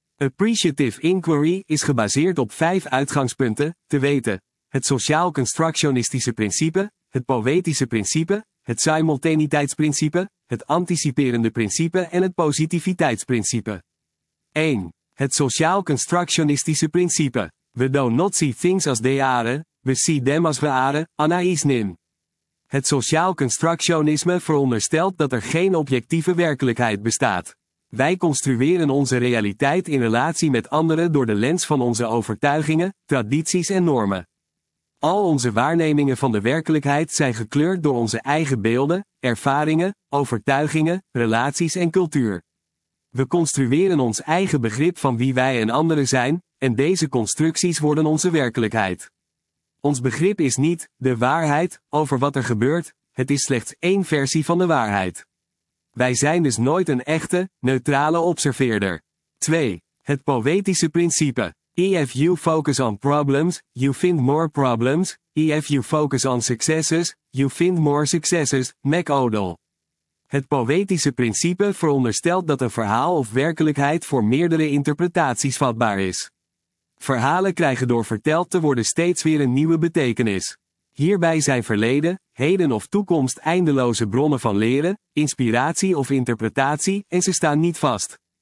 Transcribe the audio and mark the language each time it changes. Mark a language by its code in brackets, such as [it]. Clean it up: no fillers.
[nl] Appreciative Inquiry is gebaseerd op 5 uitgangspunten, te weten, het sociaal-constructionistische principe, het poëtische principe, het simultaniteitsprincipe, het anticiperende principe en het positiviteitsprincipe. 1. Het sociaal-constructionistische principe. [en] We do not see things as they are, we see them as we are, Anaïs Nin. [nl] Het sociaal-constructionisme veronderstelt dat er geen objectieve werkelijkheid bestaat. Wij construeren onze realiteit in relatie met anderen door de lens van onze overtuigingen, tradities en normen. Al onze waarnemingen van de werkelijkheid zijn gekleurd door onze eigen beelden, ervaringen, overtuigingen, relaties en cultuur. We construeren ons eigen begrip van wie wij en anderen zijn, en deze constructies worden onze werkelijkheid. Ons begrip is niet de waarheid over wat er gebeurt, het is slechts 1 versie van de waarheid. Wij zijn dus nooit een echte, neutrale observeerder. 2. Het poëtische principe. [en] If you focus on problems, you find more problems. If you focus on successes, you find more successes. Mac Odell. [nl] Het poëtische principe veronderstelt dat een verhaal of werkelijkheid voor meerdere interpretaties vatbaar is. Verhalen krijgen door verteld te worden steeds weer een nieuwe betekenis. Hierbij zijn verleden, heden of toekomst eindeloze bronnen van leren, inspiratie of interpretatie en ze staan niet vast.